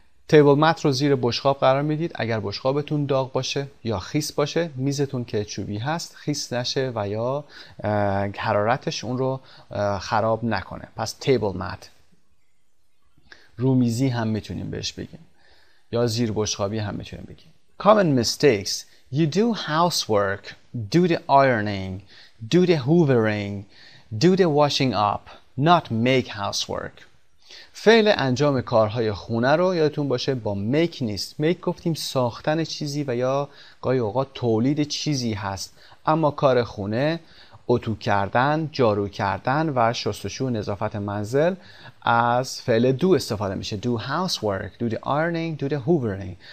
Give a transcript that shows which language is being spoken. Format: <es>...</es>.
<fa>تیبل مت رو زیر بشقاب قرار میدید اگر بشقابتون داغ باشه یا خیس باشه. میزتون که چوبی هست خیس نشه و یا حرارتش اون رو خراب نکنه. پس تیبل مت. رومیزی هم میتونیم بهش بگیم یا زیر بشقابی هم میتونیم بگیم.</fa> <en>common mistakes. You do housework, do the ironing, do the hoovering, do the washing up, not make housework.</en> <fa>فعل انجام کارهای خونه رو یادتون باشه با make نیست. Make گفتیم ساختن چیزی و یا گاهی اوقات تولید چیزی هست. اما کار خونه، اتو کردن، جارو کردن و شستشو و نظافت منزل از فعل do استفاده میشه.</fa> <en>Do housework, do the ironing, do the hoovering.</en>